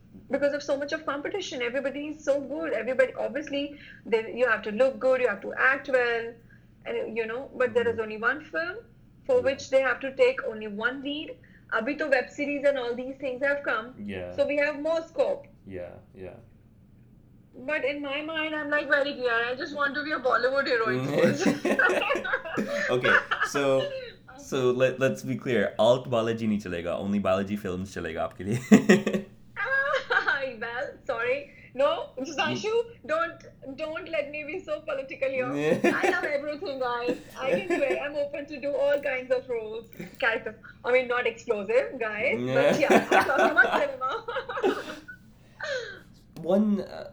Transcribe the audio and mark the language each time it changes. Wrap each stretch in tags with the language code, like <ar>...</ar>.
<en>Because of so much of competition. Everybody is so good. Everybody, obviously, you have to look good, you have to act well, and you know, but there is only one film for which they have to take only one lead.</en> <hi>Abhi to</hi> <en>web series and all these things have come. Yeah. So we have more scope. Yeah, yeah. But in my mind, I'm like, very clear, I just want to be a Bollywood heroine. Okay, so let's be clear.</en> <hi>Alt Balaji नहीं चलेगा, only Balaji films चलेगा आपके लिए।</hi> <en>Well, sorry. No, Sudhanshu, don't let me be so politically off. I love everything, guys. I can do it. I'm open to do all kinds of roles, characters. I mean, not explosive, guys. But yeah, I'm talking about cinema.</en>